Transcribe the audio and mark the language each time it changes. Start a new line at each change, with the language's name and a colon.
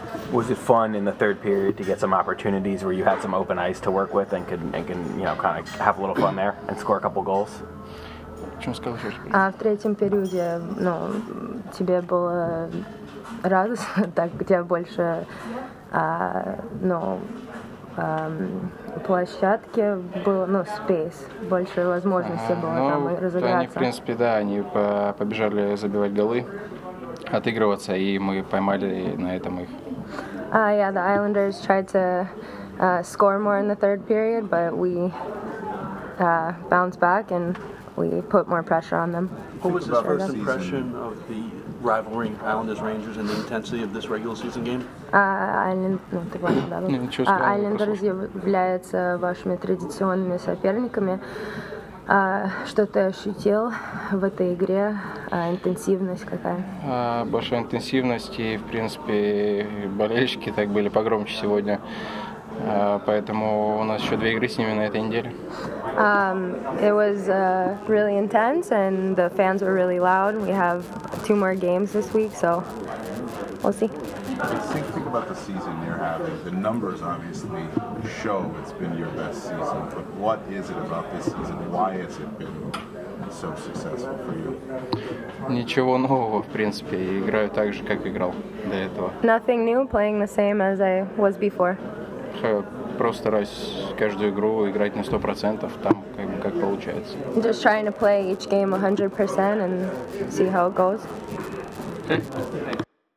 English: Was it fun in the third period to get some opportunities where you had some open ice to work with and can you know, kind of have a little fun there and score a couple goals?
Russian: В третьем периоде, ну, тебе было радостно, так у тебя больше, площадки было, ну, space, больше возможностей было там разыграться. Они, в принципе, да, они побежали забивать голы, отыгрываться, и мы поймали на этом их.
English: Yeah, the Islanders tried to score more in the third period, but we bounced back and we put more pressure on them. What was the first impression of the rivalry Islanders-Rangers and the intensity of this regular season game?
Russian: Islanders являются вашими традиционными соперниками. Что ты ощутил в этой игре? Интенсивность какая? Большая интенсивность, и, в принципе, болельщики так были погромче сегодня. Поэтому у нас еще две игры с ними на этой неделе.
English: It was really intense, and the fans were really loud. We have two more games this week, so we'll see. Think about the season you're having. The numbers obviously show it's been your best season, but what is it about this season? Why has it been so successful for you?
Russian: Ничего нового, в принципе. Играю так же, как играл до этого.
English: Nothing new, playing the same as I was before.
Russian: Просто раз каждую игру играть на 100%, там как получается.
English: Just trying to play each game 100% and see how it goes.